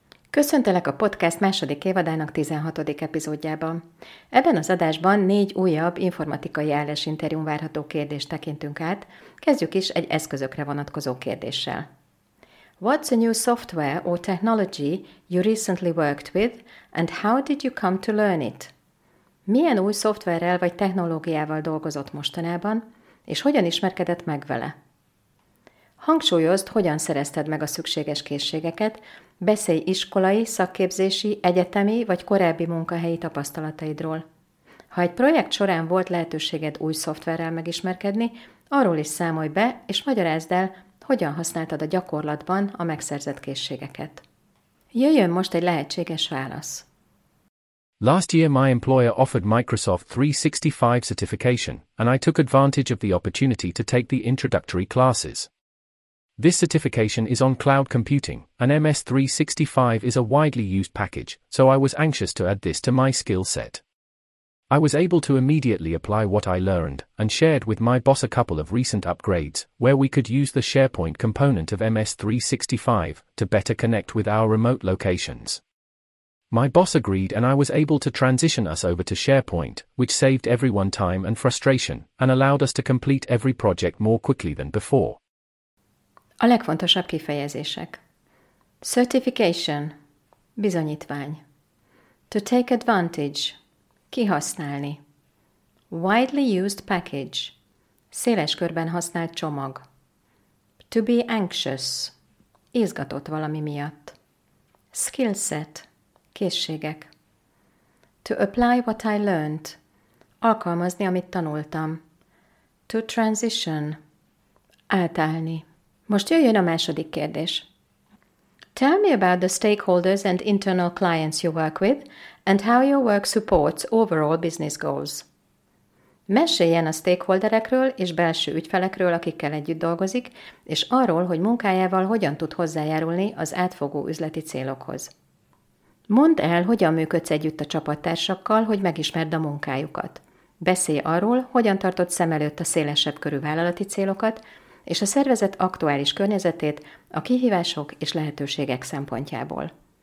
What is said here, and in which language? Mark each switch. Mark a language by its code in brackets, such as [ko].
[hu] Köszöntelek a podcast második évadának 16. epizódjában. Ebben az adásban 4 újabb informatikai állásinterjún várható kérdést tekintünk át. Kezdjük is egy eszközökre vonatkozó kérdéssel. [en] What's a new software or technology you recently worked with, and how did you come to learn it? [hu] Milyen új szoftverrel vagy technológiával dolgozott mostanában, és hogyan ismerkedett meg vele? Hangsúlyozd, hogyan szerezted meg a szükséges készségeket, beszélj iskolai, szakképzési, egyetemi vagy korábbi munkahelyi tapasztalataidról. Ha egy projekt során volt lehetőséged új szoftverrel megismerkedni, arról is számolj be, és magyarázd el, hogyan használtad a gyakorlatban a megszerzett készségeket. Jöjjön most egy lehetséges válasz. [en] Last year my employer offered Microsoft 365 certification, and I took advantage of the opportunity to take the introductory classes. This certification is on cloud computing, and MS365 is a widely used package, so I was anxious to add this to my skill set. I was able to immediately apply what I learned, and shared with my boss a couple of recent upgrades, where we could use the SharePoint component of MS365 to better connect with our remote locations. My boss agreed, and I was able to transition us over to SharePoint, which saved everyone time and frustration, and allowed us to complete every project more quickly than before. [hu] A legfontosabb kifejezések. [en] Certification, [hu] bizonyítvány. [en] To take advantage, [hu] kihasználni. [en] Widely used package, [hu] széles körben használt csomag. [en] To be anxious, [hu] izgatott valami miatt. [en] Skill set, [hu] készségek. [en] To apply what I learned, [hu] alkalmazni, amit tanultam. [en] To transition, [hu] átállni. Most jöjjön a második kérdés. [en] Tell me about the stakeholders and internal clients you work with, and how your work supports overall business goals. [hu] Meséljen a stakeholderekről és belső ügyfelekről, akikkel együtt dolgozik, és arról, hogy munkájával hogyan tud hozzájárulni az átfogó üzleti célokhoz. Mondd el, hogyan működsz együtt a csapattársakkal, hogy megismerd a munkájukat. Beszélj arról, hogyan tartod szem előtt a szélesebb körű vállalati célokat, és a szervezet aktuális környezetét a kihívások és lehetőségek szempontjából.